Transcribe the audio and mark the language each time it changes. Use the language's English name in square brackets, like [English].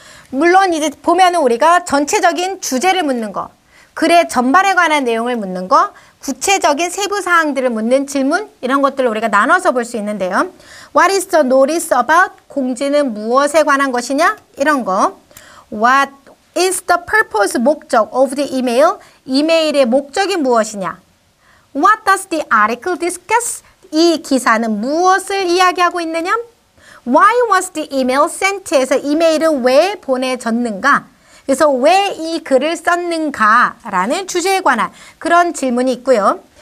[Korean] 물론 이제 보면은 우리가 전체적인 주제를 묻는 거, 글의 전반에 관한 내용을 묻는 거, 구체적인 세부사항들을 묻는 질문 이런 것들을 우리가 나눠서 볼 수 있는데요. [English] What is the notice about? [Korean] 공지는 무엇에 관한 것이냐? 이런 거. [English] What is the purpose, 목적 of the email? [Korean] 이메일의 목적이 무엇이냐? [English] What does the article discuss? [Korean] 이 기사는 무엇을 이야기하고 있느냐? [English] Why was the email sent? [Korean] 해서 이메일은 왜 보내졌는가? 그래서 왜 이 글을 썼는가라는 주제에 관한 그런 질문이 있고요.